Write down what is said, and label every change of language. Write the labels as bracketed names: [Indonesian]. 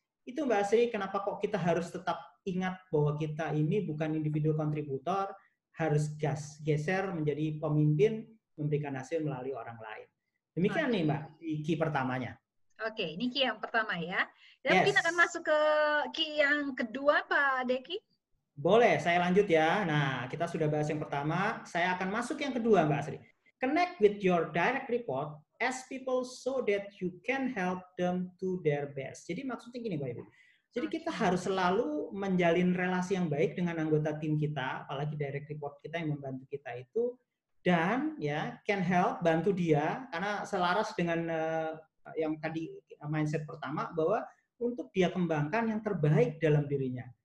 [Indonesian] Itu Mbak Asri, kenapa kok kita harus tetap ingat bahwa kita ini bukan individual contributor, harus geser menjadi pemimpin memberikan hasil melalui orang lain. Demikian nih Mbak, key pertamanya. Oke, ini key yang pertama ya. Dan mungkin akan masuk ke key yang kedua Pak Deki. Boleh, saya lanjut ya. Nah, kita sudah bahas yang pertama. Saya akan masuk yang kedua, Mbak Asri. [English] Connect with your direct report as people so that you can help them to their best. [Indonesian] Jadi maksudnya gini, Mbak Ibu. Jadi kita harus selalu menjalin relasi yang baik dengan anggota tim kita, apalagi direct report kita yang membantu kita itu. Dan ya, [English] can help, [Indonesian] bantu dia. Karena selaras dengan yang tadi mindset pertama, bahwa untuk dia kembangkan yang terbaik dalam dirinya.